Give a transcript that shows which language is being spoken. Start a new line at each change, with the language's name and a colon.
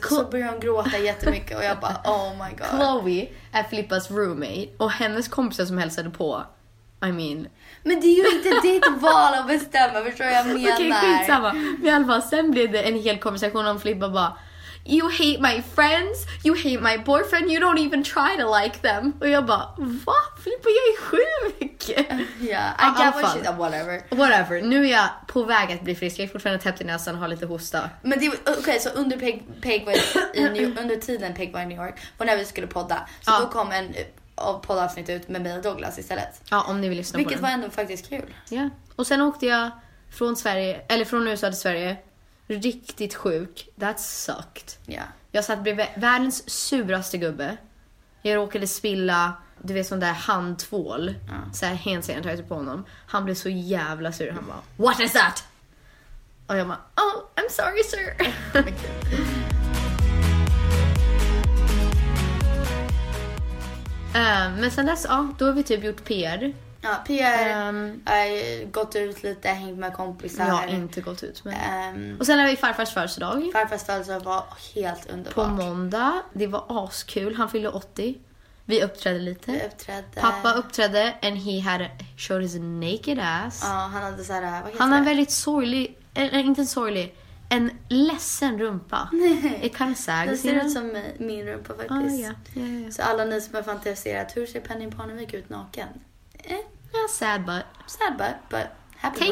Swedish: Och så börjar hon gråta jättemycket och jag bara
English: oh my god.
Swedish: Chloe är Filippas roommate och hennes kompisar som hälsade på.
English: I mean.
Swedish: Men det är ju inte ditt val att bestämma, förstår jag menar. Okej, skitsamma. Men i alla fall sen blev det en hel konversation om Filippa bara
English: you hate my friends, you hate my boyfriend, you don't even try to like them.
Swedish: Och jag bara, va? Filippa, jag är sjuk.
English: Yeah, I get what you, whatever.
Swedish: Whatever, nu är jag på väg att bli frisk. Jag är fortfarande täppt i näsan och har lite hosta. Men det okej, så under Peg var under tiden Peg var i New York, var när vi skulle podda, så då kom en poddavsnitt ut med mig och Douglas istället. Ja, om ni vill lyssna vilket på den. Vilket var ändå faktiskt kul. Ja, och sen åkte jag från Sverige, eller från USA till Sverige, riktigt sjuk.
English: That sucked. Yeah.
Swedish: Jag satt bredvid världens suraste gubbe. Jag råkade spilla, du vet, sån där handtvål. Så här hand sanitizer på honom. Han blev så jävla sur. Han bara,
English: what is that?
Swedish: Och jag bara,
English: oh, I'm sorry, sir.
Swedish: men sen dess, ja, då har vi typ gjort PR. Ja, PR, gått ut lite, hängt med kompisar. Ja, inte gått ut. Men... Och sen är vi farfars födelsedag. Farfars födelsedag var helt underbart. På måndag, det var askul. Han fyllde 80. Vi uppträdde lite. Vi uppträdde. Pappa uppträdde
English: and he had showed his naked ass.
Swedish: Ja, han hade såhär, vad heter han det? Han är väldigt sorglig, inte sorglig, en ledsen rumpa. Nej.
English: It kind of sags,
Swedish: det ser ut som min rumpa faktiskt.
English: Ah, yeah.
Swedish: Så alla ni som har fantiserat, hur ser Penny Panovic ut naken?
English: Yeah, sad butt. Sad butt, but happy.